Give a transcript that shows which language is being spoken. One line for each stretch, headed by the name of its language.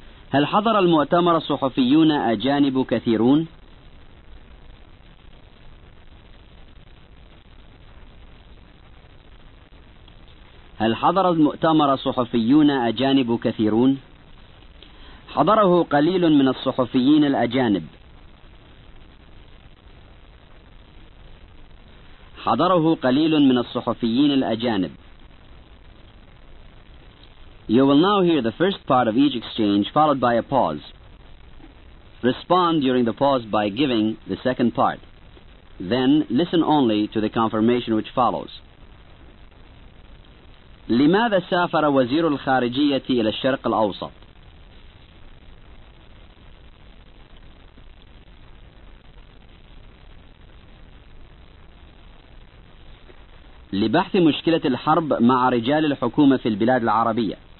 Arabic: هل حضر المؤتمر صحفيون أجانب كثيرون؟ هل حضر المؤتمر صحفيون أجانب كثيرون؟ حضره قليل من الصحفيين الأجانب. حضره قليل من الصحفيين الأجانب.
English: You will now hear the first part of each exchange followed by a pause. Respond during the pause by giving the second part. Then listen only to the confirmation which follows.
Arabic: لماذا سافر وزير الخارجية إلى الشرق الأوسط؟ لبحث مشكلة الحرب مع رجال الحكومة في البلاد العربية.